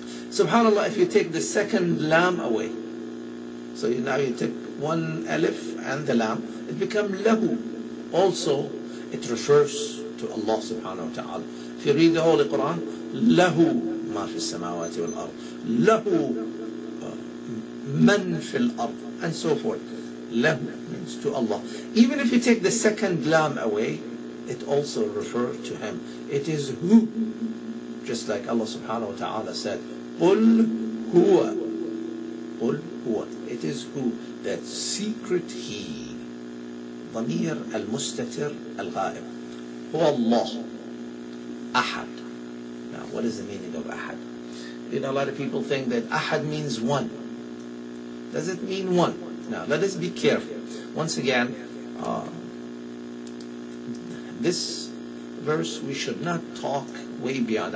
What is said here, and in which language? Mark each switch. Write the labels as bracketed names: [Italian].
[English] SubhanAllah, if you take the second lam away, so now you take one alif and the lam, it becomes lahu. Also, it refers to Allah subhanahu wa ta'ala. If you read the Holy Quran, [Arabic] لَهُ مَا فِي السَّمَاوَاتِ وَالْأَرْضِ. لَهُ مَنْ فِي الْأَرْضِ, [English] and so forth. لَهُ means to Allah. Even if you take the second lam away, it also refers to him. It is who. Just like Allah subhanahu wa ta'ala said, [Arabic] قُلْ هُوَ. قُلْ هُوَ. [English] It is who. That secret he. [Arabic] ضمير المستتر الغائب. هو الله. أحد. [English] now. What is the meaning of Ahad? You know, a lot of people think that Ahad means one. Does it mean one? Now, let us be careful. Once again, this verse, we should not talk way beyond.